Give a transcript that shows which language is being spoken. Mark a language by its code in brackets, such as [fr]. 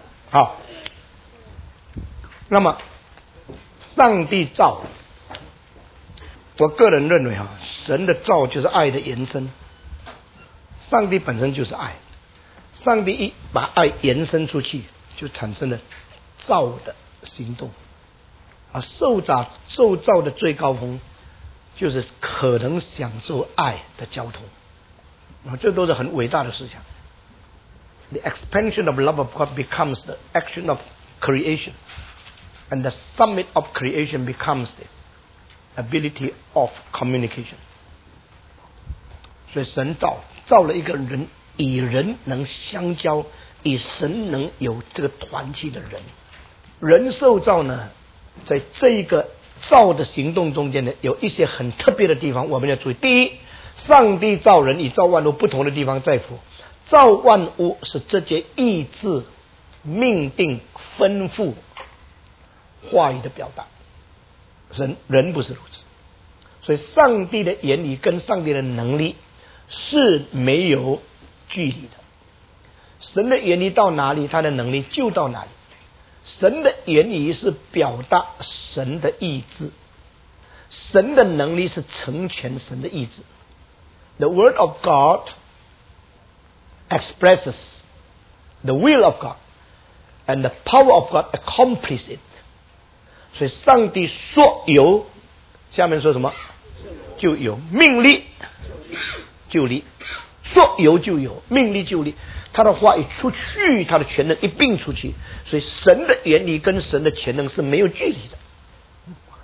[zh] 好，那么上帝造，我个人认为啊，神的造就是爱的延伸，上帝本身就是爱，上帝一把爱延伸出去，就产生了造的行动。啊，受造的最高峰，就是可能享受爱的交通。啊，这都是很伟大的思想。 [en] The expansion of love of God becomes the action of creation, and the summit of creation becomes the ability of communication. [zh] 所以神造了一个人。以人能相交，以神能有这个团契的人，人受造呢，在这一个造的行动中间呢，有一些很特别的地方，我们要注意。第一，上帝造人以造万物，不同的地方在乎，造万物是直接意志、命定、吩咐、话语的表达，人不是如此，所以上帝的言语跟上帝的能力是没有。距离的，神的言语到哪里，他的能力就到哪里。神的言语是表达神的意志，神的能力是成全神的意志。 [en] The word of God expresses the will of God, And the power of God accomplished it. [zh] 所以上帝说有，下面说什么？就有，命立就立，说有就有，命立就立。他的话一出去，他的全能一并出去。所以神的原理跟神的全能是没有距离的。